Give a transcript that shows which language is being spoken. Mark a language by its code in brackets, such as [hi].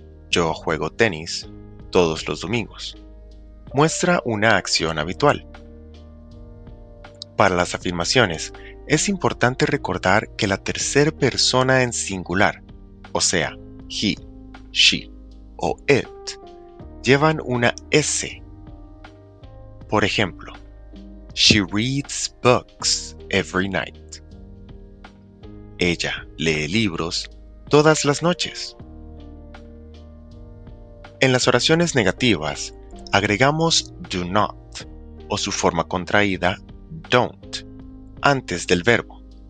[es] Yo juego tenis todos los domingos. Muestra una acción habitual. Para las afirmaciones, es importante recordar que la tercera persona en singular, o sea, he, she o it, llevan una S. Por ejemplo, [en] she reads books every night. [es] Ella lee libros todas las noches. En las oraciones negativas, agregamos do not o su forma contraída don't antes del verbo.